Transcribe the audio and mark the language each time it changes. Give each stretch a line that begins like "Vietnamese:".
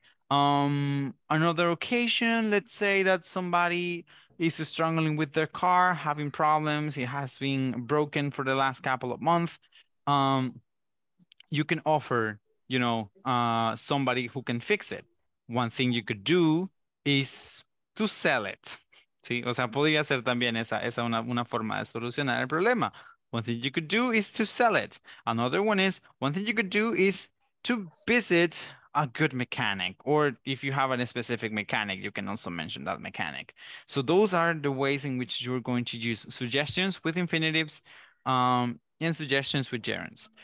English: Another occasion, let's say that somebody is struggling with their car, having problems, it has been broken for the last couple of months. You can offer, you know, somebody who can fix it. One thing you could do is to sell it.
Spanish: Sí, o sea, podría ser también esa una forma de solucionar el problema.
English: One thing you could do is to sell it. Another one is, one thing you could do is to visit a good mechanic. Or if you have a specific mechanic, you can also mention that mechanic. So those are the ways in which you're going to use suggestions with infinitives and suggestions with gerunds.